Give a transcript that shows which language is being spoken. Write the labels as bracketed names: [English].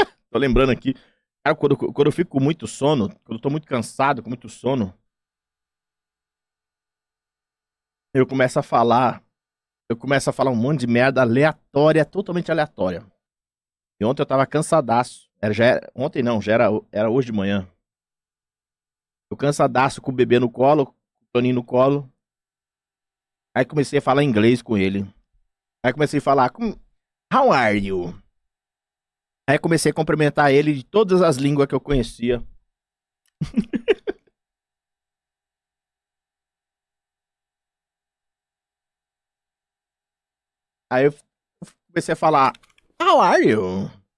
[Portuguese] Tô lembrando aqui. Cara, quando eu fico com muito sono, quando eu tô muito cansado, com muito sono, eu começo a falar um monte de merda aleatória, totalmente aleatória. E ontem eu tava cansadaço, era hoje de manhã. Eu cansadaço com o bebê no colo, com o Toninho no colo, aí comecei a falar inglês com ele. Aí comecei a falar, [English] how are you? [Portuguese] Aí comecei a cumprimentar ele de todas as línguas que eu conhecia. Aí eu comecei a falar, [English] how are you?